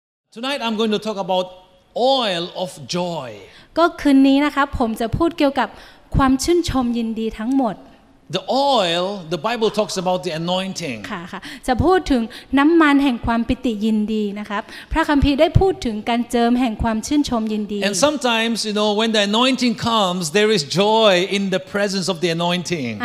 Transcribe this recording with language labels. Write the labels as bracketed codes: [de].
[en] Tonight I'm going to talk about oil of joy. [th] ก็คืนนี้นะคะผมจะพูดเกี่ยวกับความชื่นชมยินดีทั้งหมด [en] The oil, the Bible talks about the anointing. [th] ค่ะค่ะจะพูดถึงน้ำมันแห่งความปิติยินดีนะครับพระคัมภีร์ได้พูดถึงการเจิมแห่งความชื่นชมยินดี [en] And sometimes you know when the anointing comes there is joy in the presence of the anointing.